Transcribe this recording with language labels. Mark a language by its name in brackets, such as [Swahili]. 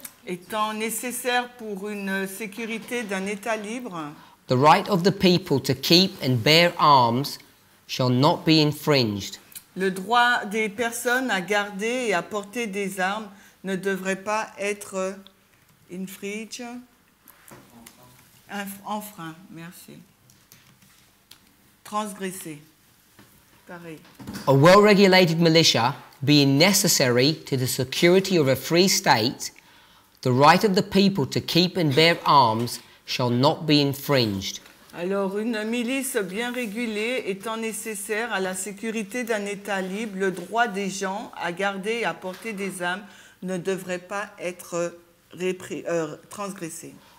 [French] Étant nécessaire pour une sécurité d'un État libre. [English] The right of the people to keep and bear arms shall not be infringed. [French] Le droit des personnes à garder et à porter des armes ne devrait pas être [English] infringed. [French] Enfreint, merci. Transgressé. Pareil. [English] A well-regulated militia being necessary to the security of a free state, the right of the people to keep and bear arms shall not be infringed. [French] Alors, une milice bien régulée étant nécessaire à la sécurité d'un État libre, le droit des gens à garder et à porter des armes ne devrait pas être transgressé.